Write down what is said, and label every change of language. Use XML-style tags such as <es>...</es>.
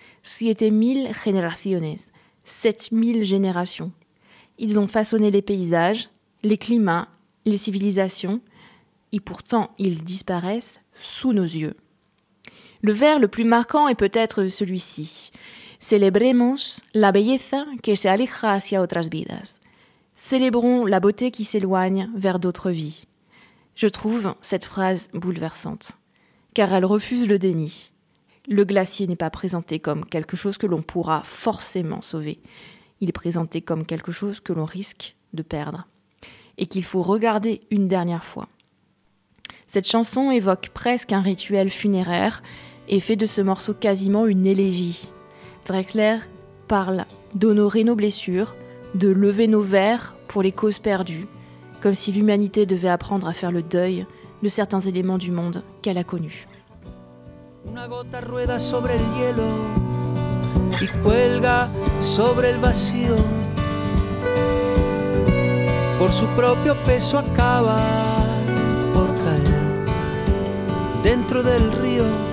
<es>Siete mil generaciones,</es> <fr>7000 générations. Ils ont façonné les paysages, les climats, les civilisations, et pourtant ils disparaissent sous nos yeux. Le vers le plus marquant est peut-être celui-ci. Célébrons</fr> <es>la belleza que se aleja hacia otras vidas.</es> <fr>Célébrons la beauté qui s'éloigne vers d'autres vies. Je trouve cette phrase bouleversante, car elle refuse le déni. Le glacier n'est pas présenté comme quelque chose que l'on pourra forcément sauver. Il est présenté comme quelque chose que l'on risque de perdre et qu'il faut regarder une dernière fois. Cette chanson évoque presque un rituel funéraire et fait de ce morceau quasiment une élégie. Drexler parle d'honorer nos blessures, de lever nos verres pour les causes perdues, comme si l'humanité devait apprendre à faire le deuil de certains éléments du monde qu'elle a connus.</fr> <es>Una gota rueda sobre el hielo y cuelga sobre el vacío. Por su propio peso acaba por caer dentro del río.</es>